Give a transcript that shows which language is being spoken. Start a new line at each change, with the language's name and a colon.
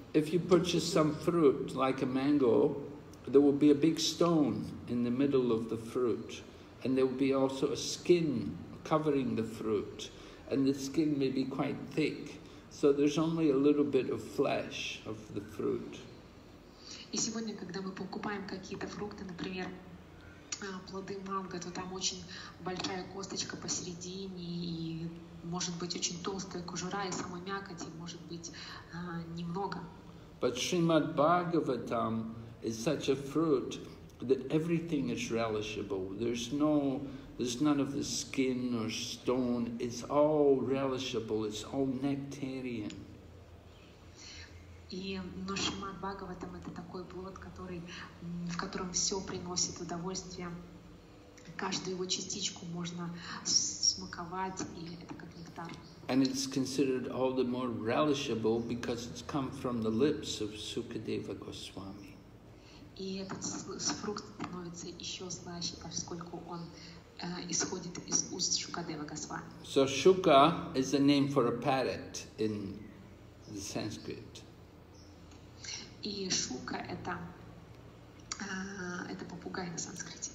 English: If you purchase some fruit, like a mango, there will be a big stone in the middle of the fruit, and there will be also a skin covering the fruit, and the skin may be quite thick, so there's only a little bit of flesh of the fruit.
Russian: И сегодня, когда мы покупаем какие-то фрукты, например, плоды манго, то там очень большая косточка посередине, и может быть очень толстая кожура, и сама мякоть, и может быть немного.
English: But Srimad Bhagavatam is such a fruit that everything is relishable. There's none of the skin or stone. It's all relishable. It's all nectarian.
Russian: И Шримад Бхагаватам это такой плод, который, в котором все приносит удовольствие. Каждую его частичку можно смаковать, и это как нектар.
English: And it's considered all the more relishable because it's come from the lips of Sukadeva Goswami.
Russian: И этот фрукт становится еще слаще, поскольку он исходит из уст Шукадева Госвами.
English: So Shuka is a name for a parrot in the Sanskrit.
Russian: И Shuka это попугай на санскрите.